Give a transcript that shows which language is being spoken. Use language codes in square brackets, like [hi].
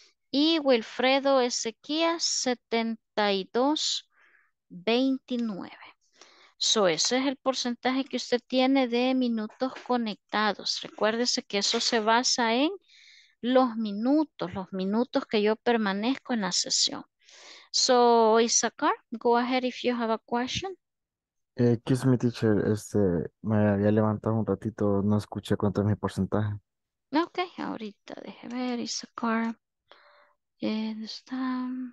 [es] Y Wilfredo Ezequías, 7229. So, ese es el porcentaje que usted tiene de minutos conectados. Recuérdese que eso se basa en los minutos que yo permanezco en la sesión. [en] So, Isaacar, go ahead if you have a question. Excuse me, teacher, [es] me había levantado un ratito, no escuché cuánto es mi porcentaje. Ok, ahorita, deje ver, Isaacar. ¿Dónde está?